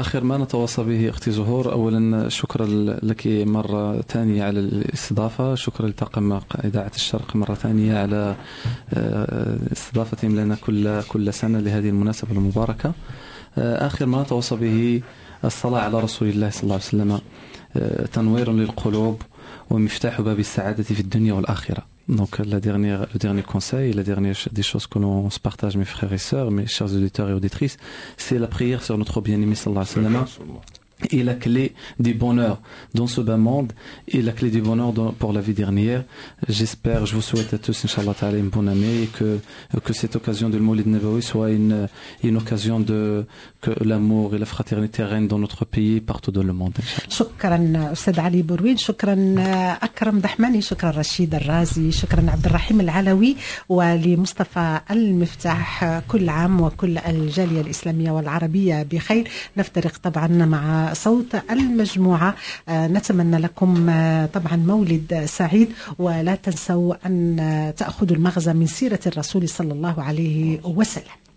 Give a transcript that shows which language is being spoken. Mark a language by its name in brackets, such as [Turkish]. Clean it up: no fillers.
[Arabic] آخر ما نتواصل به أختي زهور، أولا شكرا لك مرة ثانية على الاستضافة، شكرا لطاقم إذاعة الشرق مرة ثانية على استضافتهم لنا كل سنة لهذه المناسبة المباركة. آخر ما نتواصل به الصلاة على رسول الله صلى الله عليه وسلم، تنوير للقلوب ومفتاح باب السعادة في الدنيا والآخرة. [French] Donc le dernier conseil, la dernière des choses que l'on se partage, mes frères et sœurs, mes chers auditeurs et auditrices, c'est la prière sur notre bien-aimé sallallahu alayhi wa sallam et la clé du bonheur dans ce bas monde et la clé du bonheur pour la vie dernière. J'espère, je vous souhaite à tous inshallah ta'ala une bonne année et que cette occasion de Moulid Nabawi soit une occasion de que l'amour et la fraternité règnent dans notre pays partout dans le monde. [Arabic] Shukran Oustad Ali Bourouine, shukran Akram Dahmani, shukran Rachid Al-Razi, shukran Abdelrahim Al-Alawi wa li Mustafa Al-Miftah kul am wa kul al-jaliya al-islamiya wal-arabiya bi khayr. Naftariq taba'an ma'a صوت المجموعة. نتمنى لكم طبعا مولد سعيد، ولا تنسوا أن تأخذوا المغزى من سيرة الرسول صلى الله عليه وسلم.